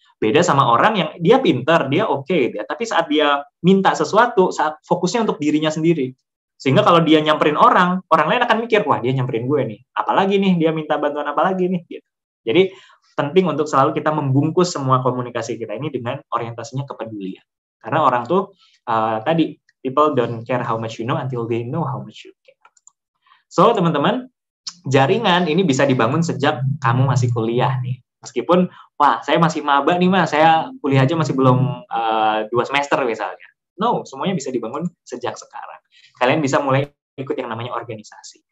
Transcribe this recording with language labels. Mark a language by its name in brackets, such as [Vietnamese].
[Indonesian] Beda sama orang yang dia pintar, dia oke, okay, tapi saat dia minta sesuatu, saat fokusnya untuk dirinya sendiri. Sehingga kalau dia nyamperin orang, orang lain akan mikir, wah dia nyamperin gue nih, apalagi nih, dia minta bantuan apalagi nih. Gitu. Jadi, penting untuk selalu kita membungkus semua komunikasi kita ini dengan orientasinya kepedulian. Karena orang tuh, tadi, [English] people don't care how much you know until they know how much you care. [Indonesian] So, teman-teman, jaringan ini bisa dibangun sejak kamu masih kuliah nih. Meskipun, wah, saya masih maba nih, mah, saya kuliah aja masih belum 2 semester misalnya. No, semuanya bisa dibangun sejak sekarang. Kalian bisa mulai ikut yang namanya organisasi.